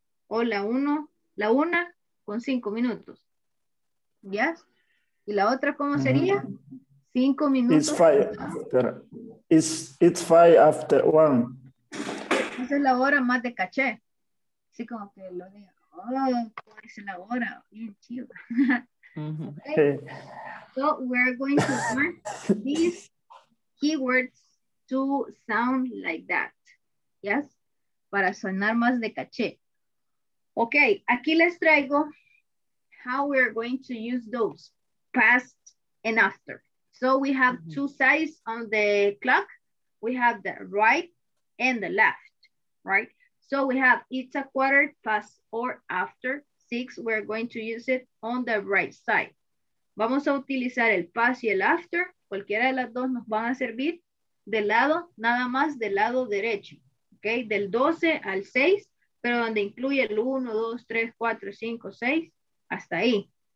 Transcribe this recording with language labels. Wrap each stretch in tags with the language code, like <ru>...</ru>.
<es>O la una con cinco minutos. ¿Yes? ¿Y la otra cómo sería? 5 minutos.</es> <en>It's 5. It's 5:01.</en> <es>Esa es la hora más de caché. Así como que lo digo. Oh, es la hora. Bien chido. Okay.</es> <en>Okay. So we're going to learn these keywords to sound like that. Yes?</en> <es>Para sonar más de caché. Okay, aquí les traigo</es> <en>how we're going to use those past and after. So we have two sides on the clock. We have the right and the left, right? So we have it's a quarter past or after six. We're going to use it on the right side.</en> <es>Vamos a utilizar el past y el after. Cualquiera de las dos nos van a servir del lado, nada más del lado derecho. Okay, del 12 al 6, pero donde incluye el 1, 2, 3, 4, 5, 6, hasta ahí.</es>